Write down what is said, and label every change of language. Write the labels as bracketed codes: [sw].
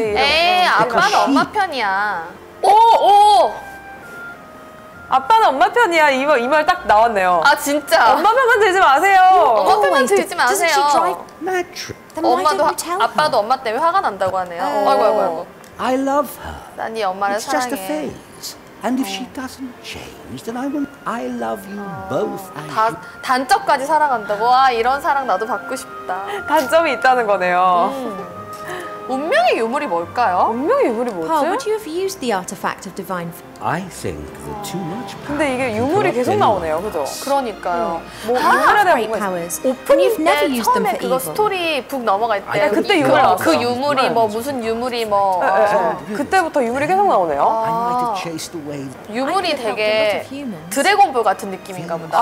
[ko] 에이, 아빠는 엄마 편이야. 오오 아빠는 엄마 편이야. 이 말 딱 나왔네요. 아 진짜. 엄마 편만 들지 마세요. 엄마 편만 들지 마세요. [en] Doesn't she drive? [ko] 엄마도 아빠도 엄마 때문에 화가 난다고 하네요. 아이고. [en] I love her. [ko] 난 네 엄마를 사랑해. [en] It's just a phase. And if she doesn't change, then I will. I love you both. [ko] 단점까지 사랑한다고. 와 이런 사랑 나도 받고 싶다. 단점이 있다는 거네요. 운명의 유물이 뭘까요? 운명의 유물이 뭐지? [en] How would you have used the artifact of divine? I think the too much. [ko] 근데 이게 유물이 계속 나오네요, 그죠? 그러니까요. 뭐 하나 대고 오픈이 처음에 그거 스토리 북 넘어갈 때 아니, 그때 유물 그, 그 유물이 뭐 무슨 유물이 뭐 그때부터 유물이 계속 나오네요. 유물이 되게 드래곤볼 같은 느낌인가 보다.